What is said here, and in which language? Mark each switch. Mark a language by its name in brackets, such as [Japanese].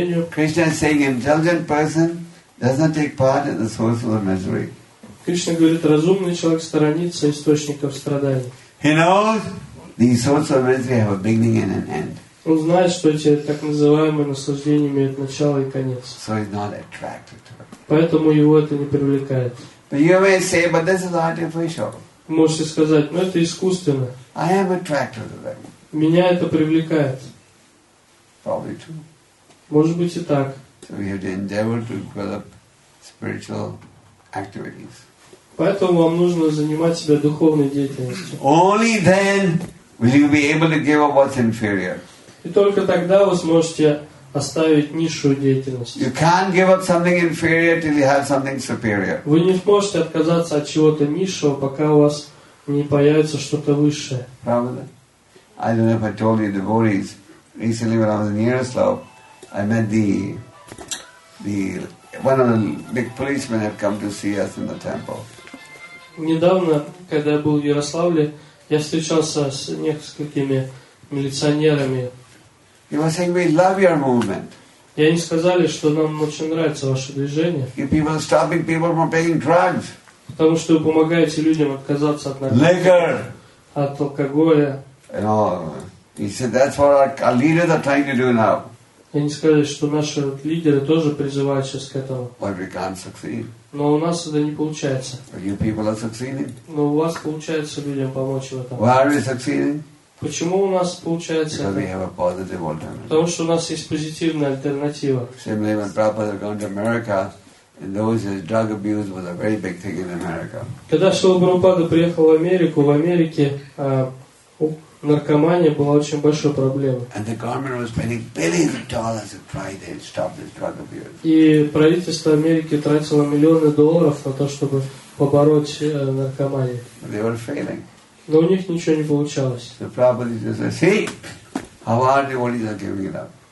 [English] Krishna is saying, intelligent person does not take part in the source of misery. [Russian] Кришна говорит, разумный человек сторонится источников страданий. [English] He knows the source of misery have a beginning and an end. [Russian] Он знает, что эти так называемые наслаждения имеют начало и конец. [English] So he's not attracted to it. [Russian] Поэтому его это не привлекает. [English] But you may say, but this is artificial. [Russian] Можете сказать, но это искусственно. [English] I am attracted to them. [Russian] Меня это привлекает. [English] Probably true. [Russian] Может быть и так. [English] So we have to endeavor to develop spiritual activities. [Russian] Поэтому вам нужно занимать себя духовной деятельностью. [English] Only then will you be able to give up what's inferior. [Russian] И только тогда вы сможете оставить низшую деятельность. [English] You can't give up something inferior till you have something superior. [Russian] Вы не можете отказаться от чего-то низшего, пока у вас не появится что-то высшее. Правда? [English] I don't know if I told you devotees. Recently, when I was in Yaroslav, I met the one of the big policemen had come to see us in the temple. [Russian] Недавно, когда я был в Ярославле, я встречался с несколькими милиционерами. [English] He was saying, "We love your movement." [Russian] И они сказали, что нам очень нравится ваше движение. [English] You people are stopping people from taking drugs. [Russian] Потому что вы помогаете людям отказаться от наркотиков. [English] Liquor. [Russian] От алкоголя. [English] And all. He said, "That's what our leaders are trying to do now." [Russian] И они сказали, что наши лидеры тоже призывают сейчас к этому. [English] But we can't succeed. [Russian] Но у нас это не получается. [English] But you people are succeeding. [Russian] Но у вас получается людям помочь в этом. [English] Why are we succeeding? [Russian] Почему у нас получается? [English] Because we have a positive alternative. [Russian] Потому что у нас есть позитивная альтернатива. [English] Similarly, when Prabhupada went to America, in those days, drug abuse was a very big thing in America. [Russian] Когда Шрила Прабхупада приехал в Америке наркомания была очень большой проблемой. [English] And the government was spending billions of dollars to try to stop this drug abuse. [Russian] И правительство Америки тратило миллионы долларов на то, чтобы побороть наркоманию. [English] They were failing. [Russian] Но у них ничего не получалось. [English] The Prabhupada just said, "See how hard the devotees are giving it up."